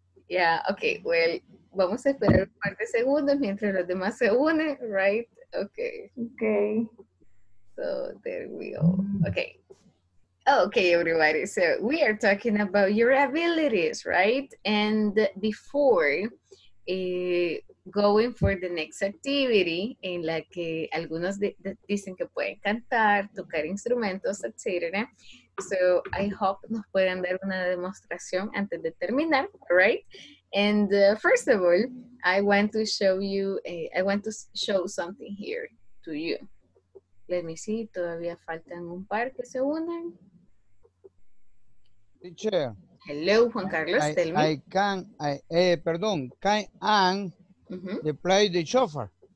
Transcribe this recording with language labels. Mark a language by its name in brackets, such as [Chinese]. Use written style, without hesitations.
[Spanish] Yeah, okay, well, vamos a esperar un par de segundos mientras los demás se unen, right? [English] Okay. Okay. So, there we go. Okay. Okay, everybody, so we are talking about your abilities, right? And before going for the next activity, [Spanish] en la que algunos dicen que pueden cantar, tocar instrumentos, etc. [English] So, I hope [Spanish] nos pueden dar una demostración antes de terminar, right? [English] And first of all, I want to show you, I want to show something here to you. Let me see, [Spanish] todavía faltan un par que se unan. [English] Teacher. Hello, Juan Carlos, tell me. Can I mm-hmm. play the shofar?